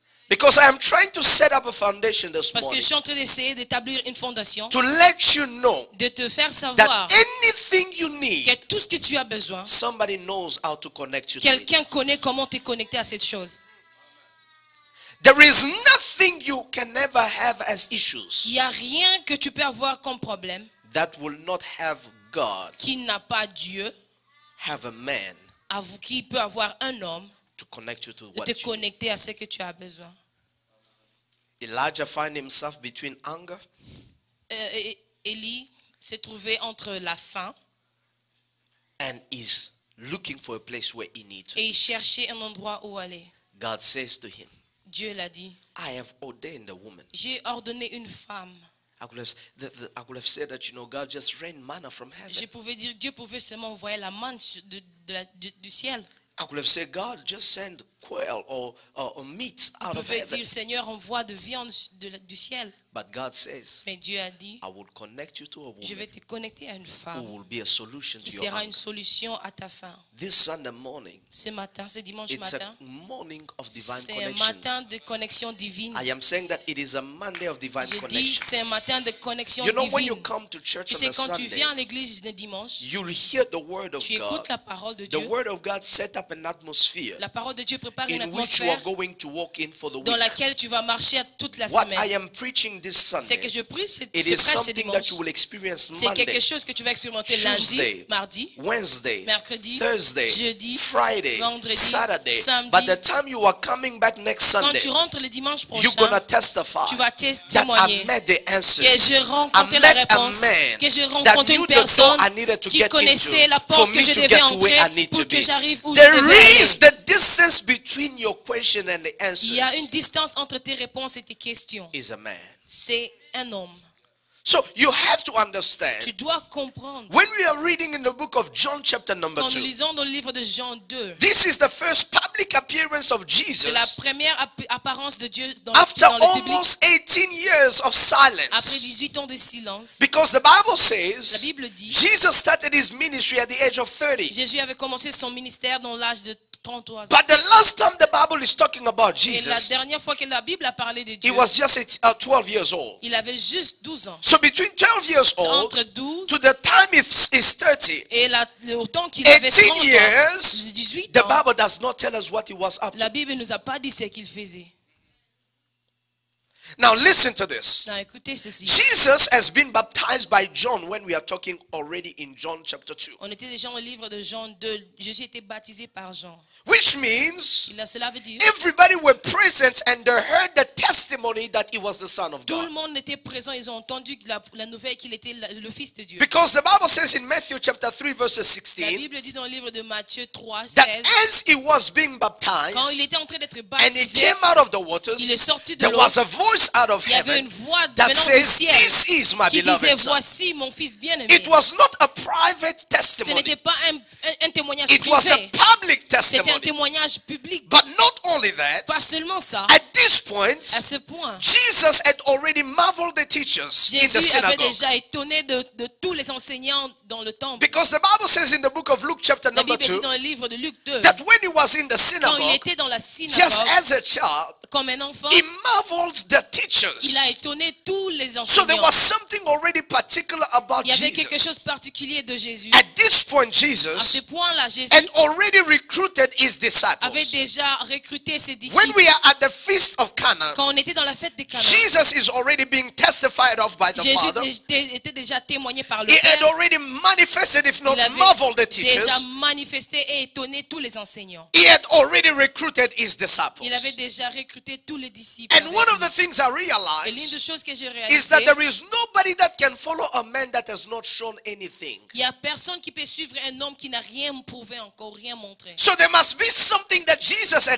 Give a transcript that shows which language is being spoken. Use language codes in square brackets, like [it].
[en] Because I am trying to set up a foundation this morning. [fr] Parce que je suis en train d'essayer d'établir une fondation. [en] To let you know. [fr] De te faire savoir. [en] That anything you need. [fr] Que tout ce que tu as besoin. [en] Somebody knows how to connect you. [fr] Quelqu'un [en] to it. [fr] Connaît comment te connecter à cette chose. [en] There is nothing you can ever have as issues. [fr] Il y a rien que tu peux avoir comme problème. [en] That will not have God. [fr] Qui n'a pas Dieu. [en] Have a man. [fr] Qui peut avoir un homme. [en] To connect you to [fr] de [en] what [fr] te connecter [en] you [fr] à ce que tu as besoin. [en] Elijah find himself between anger. [fr] Élie s'est trouvé entre la faim. [en] And is looking for a place where he needs to. [fr] Et il cherchait un endroit où aller. [en] God says to him. [fr] Dieu l'a dit. [en] I have ordained a woman. [fr] J'ai ordonné une femme. [en] I could have said that, you know, God just rained manna from heaven. [fr] Je pouvais dire Dieu pouvait seulement envoyer la manne du ciel. [en] I could have said God just send quail or meat out of heaven. [fr] Je pouvais dire Seigneur envoie de viande du ciel. [en] But God says. [fr] Mais Dieu a dit. [en] I will connect you to a woman. [fr] Je vais te connecter à une femme. [en] Who will be a solution to your [fr] Qui sera une solution à ta faim. [en] This Sunday morning. [fr] Ce matin, ce dimanche [en] it's [fr] matin. [en] It's a morning of divine connection. [fr] C'est un matin de connexion divine. [en] I am saying that it is a Monday of divine [fr] je [en] connection. [fr] Je dis c'est un matin de connexion divine. [en] You know divine. When you come to church [fr] tu [en] on [fr] sais, [en] a [fr] quand [en] Sunday. [fr] Quand tu viens à l'église le dimanche. [en] You hear the word of [fr] tu [en] God. [fr] Tu écoutes la parole de [en] the [fr] Dieu. [en] The word of God set up an atmosphere. [fr] La parole de Dieu prépare une atmosphère. [en] In which you are going to walk in for the week. [fr] Dans laquelle tu vas marcher toute la [en] what [fr] semaine. [en] What I am preaching this Sunday. [fr] C'est que je prie ce [en] it is something that you will experience Monday. [fr] C'est quelque chose que tu vas expérimenter lundi, mardi, [en] Wednesday, [fr] mercredi, [en] Thursday, [fr] jeudi, [en] Friday, [fr] vendredi, [en] Saturday, [fr] samedi. [en] But the time you are coming back next Sunday, [fr] quand tu rentres le dimanche prochain, [en] you're gonna testify [fr] tu vas témoigner [en] that I met the answer. [fr] Que j'ai rencontré la réponse. Que j'ai rencontré une personne qui connaissait la porte que je devais entrer pour que j'arrive où [en] there [fr] je devais aller. [en] Distance between your question and the answers. [fr] Il y a une distance entre tes réponses et tes questions. [en] Is a man. [fr] C'est un homme. [en] So you have to understand. [fr] Tu dois comprendre. [en] When we are reading in the book of John chapter number 2. [fr] Quand nous lisons dans le livre de Jean 2. [en] This is the first public appearance of Jesus. [fr] C'est la première apparence de Dieu dans [en] after [fr] dans le [en] almost [fr] public. [en] 18 years of silence. [fr] Après 18 ans de silence. [en] Because the Bible says. [fr] La Bible dit. [en] Jesus started his ministry at the age of 30. [fr] Jésus avait commencé son ministère dans l'âge de 33 ans. [en] But the last time the Bible is talking about Jesus. [fr] Et la dernière fois que la Bible a parlé de Dieu. [en] He was just 12 years old. [fr] Il avait juste 12 ans. [en] So between 12 years old to the time he's 30, [fr] et le temps qu'il avait 30 ans, [en] years, [fr] 18 ans, [en] the Bible does not tell us what he was up to. [fr] La Bible nous a pas dit ce qu'il faisait. [en] Now listen to this. [fr] Non, écoutez ceci. [en] Jesus has been baptized by John when we are talking already in John chapter 2. [fr] On était déjà au livre de Jean 2. Jésus était baptisé par Jean. [en] Which means everybody were present and they heard the testimony that he was the Son of God. [fr] Tout le monde était présent, ils ont entendu la nouvelle qu'il était le Fils de Dieu. [en] Because the Bible says in Matthew chapter 3 verse 16. [fr] La Bible dit dans le livre de Matthieu 3, [en] 16, that as he was being baptized, [fr] quand il était en train d'être baptisé, [en] and he came out of the waters, [fr] il est sorti de [en] there was a voice out of heaven that says, "This is my beloved [fr] Son." Voici mon fils bien-aimé. [en] It was not a private testimony. [fr] Ce n'était pas un témoignage [en] privé. It was a public testimony. [fr] Un témoignage public. [en] But not only that, [fr] pas seulement ça. [en] At this point, [fr] à ce point, [en] Jesus had already marveled the teachers [fr] Jésus [en] in the synagogue. [fr] Avait déjà étonné de tous les enseignants dans le temple. [en] Because the Bible says in the book of Luke chapter [fr] la [en] number 2, [fr] dit dans le livre de Luc 2, [en] that when he was in the synagogue, [fr] quand il était dans la synagogue, [en] just as a child, [fr] comme un enfant, [en] he marveled the teachers. [fr] Il a étonné tous les enseignants. [en] So there was something already particular about [fr] il y avait [en] Jesus. [fr] Quelque chose particulier de Jésus. [en] At this point, Jesus, [fr] à ce point là, Jésus, [en] had already recruited his disciples. [fr] Avait déjà recruté ses disciples. [en] When we are at the feast of Cana, [fr] quand on était dans la fête de Cana, [en] Jesus is already being testified of by the [fr] Jésus [en] Father. [fr] Jésus était déjà témoigné par le [en] he [fr] Père. [en] He had already manifested, if not marveled, the teachers. [fr] Il avait déjà manifesté et étonné tous les enseignants. [en] He had already recruited his disciples. [fr] Il avait déjà recruté tous les disciples. [en] And one of the things I realized, [fr] et l'une des choses que j'ai réalisé, [en] is that there is nobody that can follow a man that has not shown anything. [fr] Il y a personne qui peut suivre un homme qui n'a rien prouvé encore, rien montré. [en] So there must be something that Jesus had